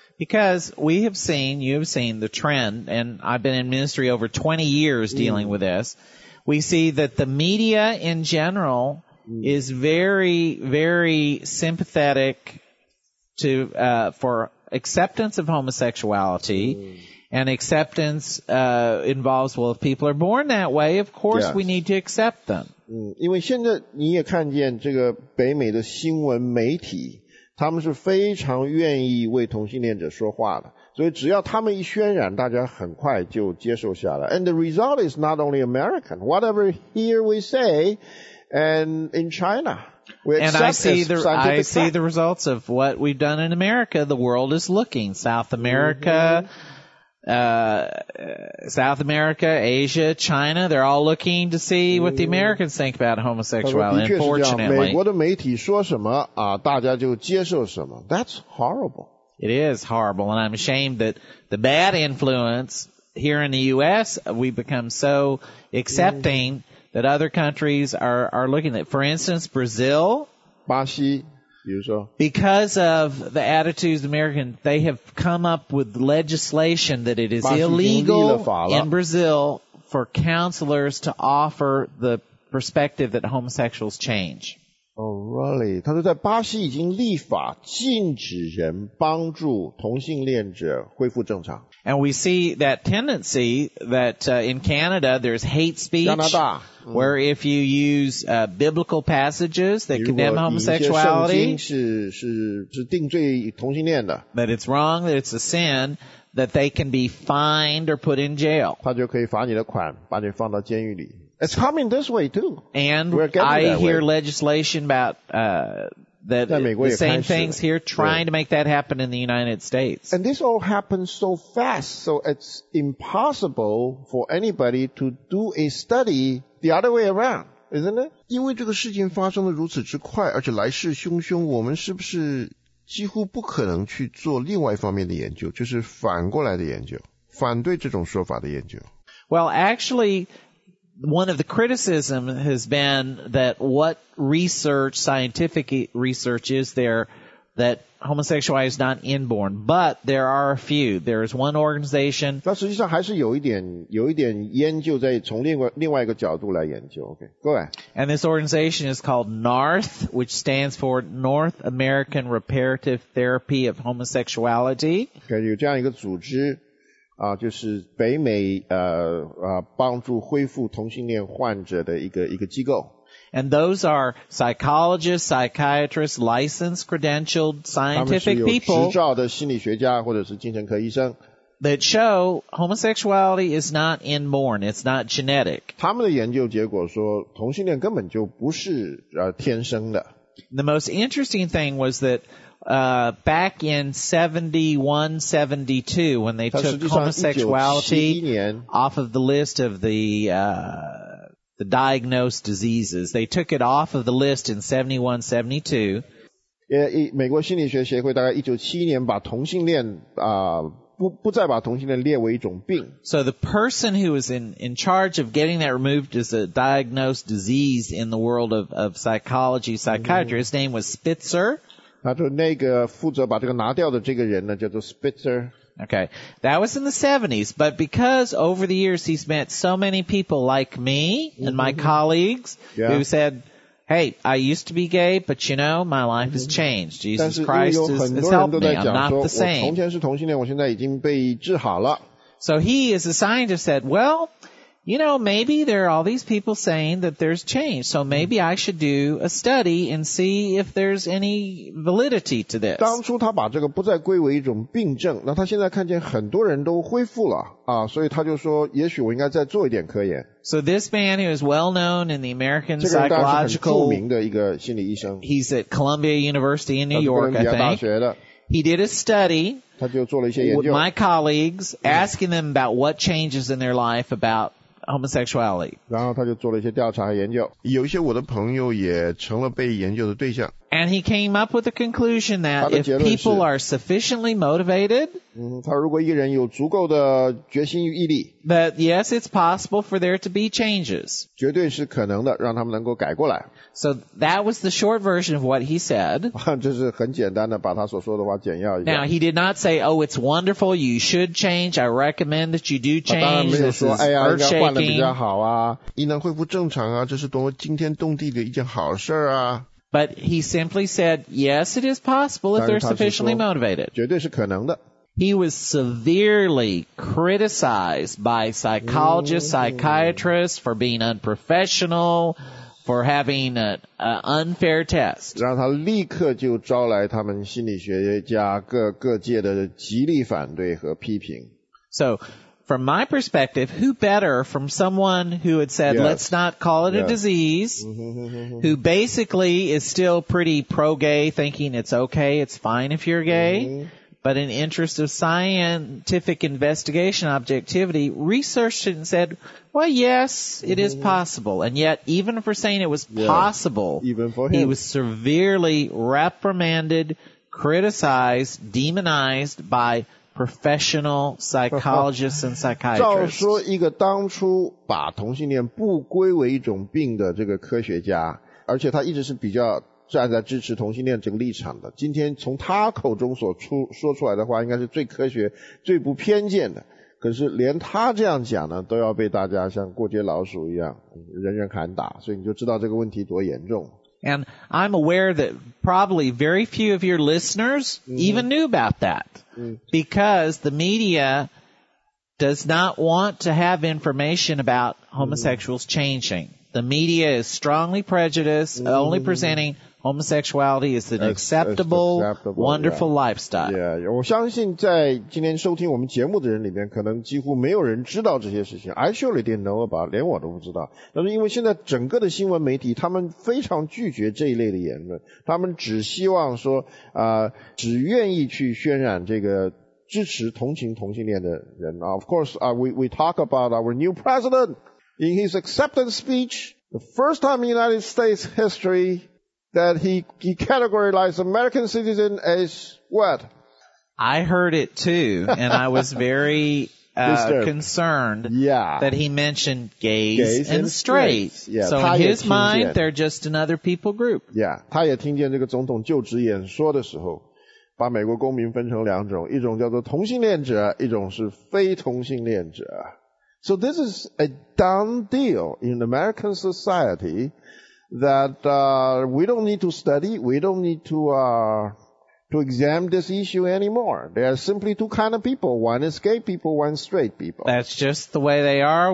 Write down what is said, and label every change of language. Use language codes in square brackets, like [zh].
[en] Because we have seen, you have seen the trend, and I've been in ministry over 20 years dealing with this, we see that the media in general is very, very sympathetic to, for acceptance of homosexuality, and acceptance, involves, well, if people are born that way, of course we need to accept them. [zh] 因为现在你也看见这个北美的新闻媒体他们是非常愿意为同性恋者说话的，所以只要他们一渲染，大家很快就接受下来。 [en] And the result is not only American. Whatever here we say, and in China, we accept as scientific fact. And I see the results of what we've done in America. The world is looking. South America, Asia, China, they're all looking to see what the Americans think about homosexuality, unfortunately. [zh] 美国的媒体说什么啊，大家就接受什么。 [en] That's horrible. It is horrible, and I'm ashamed that the bad influence here in the U.S., we've become so accepting that other countries are looking at. For instance, Brazil. [zh] 巴西。比如说, [en] because of the attitudes of American, they have come up with legislation that it is illegal in Brazil for counselors to offer the perspective that homosexuals change. Oh, really? [zh] 他说在巴西已经立法禁止人帮助同性恋者恢复正常。 [en] And we see that tendency that in Canada there's hate speech, [zh] 加拿大, [en] where if you use biblical passages that condemn homosexuality, [zh] 如果你一些圣经是定罪同性恋的, [en] that it's wrong, that it's a sin, that they can be fined or put in jail. [zh] 他就可以罚你的款,把你放到监狱里。 [en] It's coming this way too. And I hear legislation about that, the same things here, trying to make that happen in the United States. And this all happens so fast, so it's impossible for anybody to do a study the other way around, isn't it? [zh] 因为这个事情发生得如此之快，而且来势汹汹，我们是不是几乎不可能去做另外一方面的研究，就是反过来的研究，反对这种说法的研究。 [en] Well, actually... One of the criticisms has been that what research, scientific research is there that homosexuality is not inborn, but there are a few. There is one organization. [zh] 但实际上还是有一点研究在从另外一个角度来研究。 [en] Okay, go ahead. And this organization is called NARTH, which stands for North American Reparative Therapy of Homosexuality. [zh] Okay, 有这样一个组织。就是北美帮助恢复同性恋患者的一个机构。 [en] And those are psychologists, psychiatrists, licensed, credentialed, scientific people. [zh] 他们是有执照的心理学家或者是精神科医生。 [en] That show homosexuality is not inborn, it's not genetic. [zh] 他们的研究结果说同性恋根本就不是天生的。 [en] The most interesting thing was that back in 71, 72, when they took homosexuality off of the list of the diagnosed diseases, they took it off of the list in 71, 72. [zh] Yeah, 美国心理学协会大概1971年把同性恋不再把同性恋列为一种病。 [en] So the person who was in charge of getting that removed as a diagnosed disease in the world of psychology, psychiatry, his name was Spitzer. [zh] 他说那个负责把这个拿掉的这个人呢叫做 Spitzer. [en] Okay, that was in the 70s, but because over the years he's met so many people like me and my colleagues who said, hey, I used to be gay, but you know, my life has changed. Jesus Christ has helped me, I'm not the same. [zh] 我从前是同性恋，我现在已经被治好了。 [en] So he, as a scientist, said, well... You know, maybe there are all these people saying that there's change, so maybe I should do a study and see if there's any validity to this. [zh] 当初他把这个不再归为一种病症，那他现在看见很多人都恢复了啊，所以他就说，也许我应该再做一点科研。 [en] So this man who is well known in the American psychological, [zh] 著名的一个心理医生。 [en] He's at Columbia University in New York, I think. He did a study. [zh] 他就做了一些研究。 [en] With my colleagues, asking them about what changes in their life about homosexuality. [zh] 然后他就做了一些调查和研究。有一些我的朋友也成了被研究的对象。 [en] And he came up with the conclusion that if people are sufficiently motivated, [zh] 他如果一个人有足够的决心与毅力， [en] that yes, it's possible for there to be changes. [zh] 绝对是可能的，让他们能够改过来。 [en] So that was the short version of what he said. [zh] 就是很简单的把他所说的话简要一下。 [en] Now, he did not say, oh, it's wonderful, you should change, I recommend that you do change, this is earth-shaking. [zh] 当然没有说，哎呀，应该换得比较好啊，你能恢复正常啊，这是多么惊天动地的一件好事啊。 [en] But he simply said, yes, it is possible if they're sufficiently motivated. [zh] 绝对是可能的。 [en] He was severely criticized by psychologists, psychiatrists for being unprofessional, for having an unfair test. [zh] 让他立刻就招来他们心理学家各界的极力反对和批评。 [en] So, from my perspective, who better from someone who had said, yes, let's not call it yes a disease, who basically is still pretty pro-gay, thinking it's okay, it's fine if you're gay, but in interest of scientific investigation objectivity, researched it and said, well, yes, it is possible. And yet, even for saying it was possible, even for him, he was severely reprimanded, criticized, demonized by professional psychologists and psychiatrists. [zh] 照说一个当初把同性恋不归为一种病的这个科学家，而且他一直是比较站在支持同性恋这个立场的，今天从他口中说出来的话应该是最科学最不偏见的，可是连他这样讲呢都要被大家像过街老鼠一样人人喊打，所以你就知道这个问题多严重。 [en] And I'm aware that probably very few of your listeners even knew about that. Because the media does not want to have information about homosexuals changing. The media is strongly prejudiced, only presenting homosexuality as an acceptable, wonderful lifestyle. [zh] Yeah, 我相信在今天收听我们节目的人里面可能几乎没有人知道这些事情。 [en] I surely didn't know about, [zh] 连我都不知道。但是因为现在整个的新闻媒体他们非常拒绝这一类的言论。他们只希望说只愿意去渲染这个支持同情同性恋的人。 [en] Of course, we talk about our new president in his acceptance speech, the first time in United States history,that he categorized American citizen as what? I heard it too, and I was very concerned that he mentioned gays and straight. Yeah, so in his mind, they're just another people group. [zh] Yeah, 他也听见这个总统就职演说的时候，把美国公民分成两种，一种叫做同性恋者，一种是非同性恋者。 [en] So this is a done deal in American society. That we don't need to study, we don't need to examine this issue anymore. There are simply two kind of people. One is gay people, one is straight people. That's just the way they are.